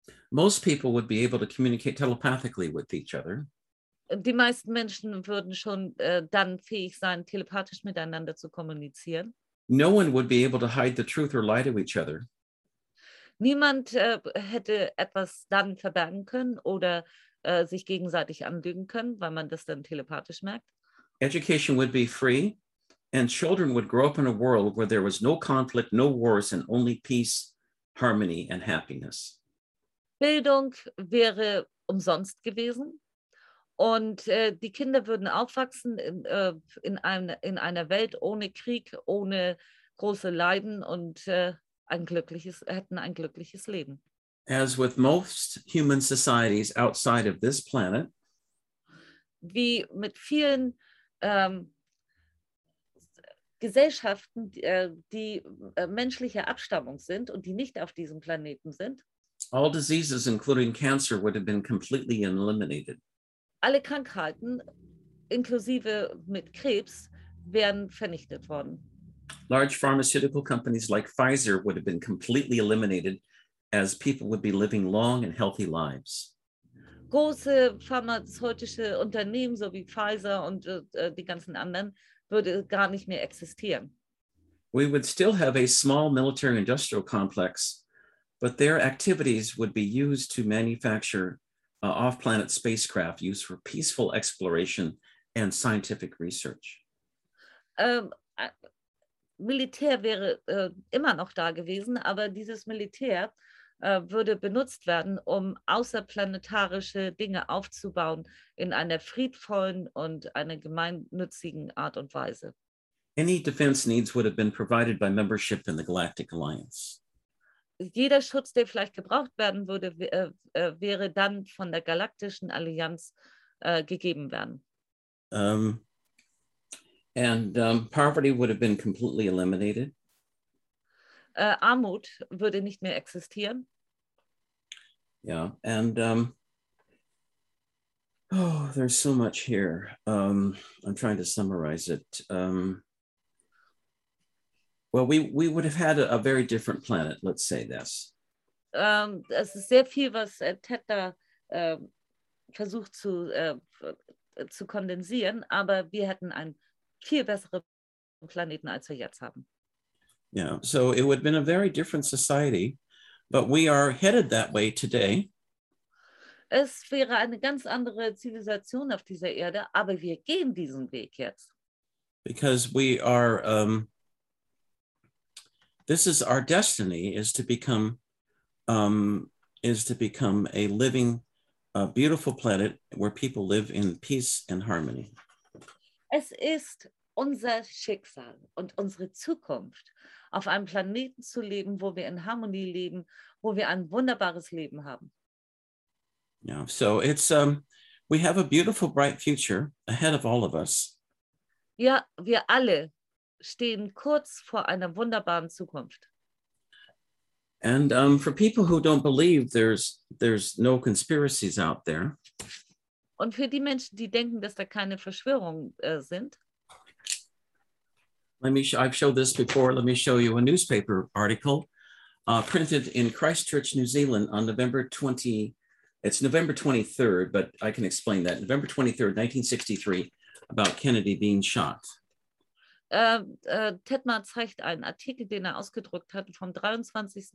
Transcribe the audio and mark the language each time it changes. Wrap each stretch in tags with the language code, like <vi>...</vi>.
<en>Most people would be able to communicate telepathically with each other.</en> <de>Die meisten Menschen würden schon dann fähig sein, telepathisch miteinander zu kommunizieren.</de> <en>No one would be able to hide the truth or lie to each other.</en> <de>Niemand hätte etwas dann verbergen können oder sich gegenseitig anlügen können, weil man das dann telepathisch merkt.</de> <en>Education would be free and children would grow up in a world where there was no conflict, no wars and only peace, harmony and happiness.</en> <de>Bildung wäre umsonst gewesen und die Kinder würden aufwachsen in einer Welt ohne Krieg, ohne große Leiden und hätten ein glückliches Leben.</de> <en>As with most human societies outside of this planet,</en> <de>wie mit vielen Gesellschaften, die menschlicher Abstammung sind und die nicht auf diesem Planeten sind,</de> <en>all diseases, including cancer, would have been completely eliminated.</en> <de>Alle Krankheiten, inklusive mit Krebs, wären vernichtet worden.</de> <en>Large pharmaceutical companies like Pfizer would have been completely eliminated, as people would be living long and healthy lives.</en> <de>Große pharmazeutische Unternehmen, so wie Pfizer und die ganzen anderen, würde gar nicht mehr existieren.</de> <en>We would still have a small military-industrial complex, but their activities would be used to manufacture off-planet spacecraft used for peaceful exploration and scientific research.</en> <de>Militär wäre immer noch da gewesen, aber dieses Militär würde benutzt werden, um außerplanetarische Dinge aufzubauen in einer friedvollen und einer gemeinnützigen Art und Weise.</de> <en>Any defense needs would have been provided by membership in the Galactic Alliance.</en> <de>Jeder Schutz, der vielleicht gebraucht werden würde, wäre dann von der Galaktischen Allianz gegeben werden.</de> <en>Poverty would have been completely eliminated.</en> <de>Armut würde nicht mehr existieren.</de> <en>Yeah. And there's so much here. I'm trying to summarize it. Well, we would have had a very different planet, let's say this.</en> <de>Es ist sehr viel, was Ted da versucht zu kondensieren, aber wir hätten einen viel besseren Planeten, als wir jetzt haben.</de> <en>Yeah, so it would have been a very different society, but we are headed that way today.</en> <de>Es wäre eine ganz andere Zivilisation auf dieser Erde, aber wir gehen diesen Weg jetzt.</de> <en>Because we are, this is our destiny, is to become a living, beautiful planet where people live in peace and harmony.</en> <de>Es ist unser Schicksal und unsere Zukunft, auf einem Planeten zu leben, wo wir in Harmonie leben, wo wir ein wunderbares Leben haben.</de> <en>Yeah, so it's we have a beautiful, bright future ahead of all of us.</en> <de>Ja, wir alle stehen kurz vor einer wunderbaren Zukunft.</de> <en>And for people who don't believe, there's no conspiracies out there.</en> <de>Und für die Menschen, die denken, dass da keine Verschwörungen sind.</de> <en>I've showed this before. Let me show you a newspaper article printed in Christchurch, New Zealand on November 23rd, but I can explain that. November 23rd, 1963, about Kennedy being shot.</en> <de>Tedmar zeigt einen Artikel, den er ausgedruckt hat, vom 23.</de>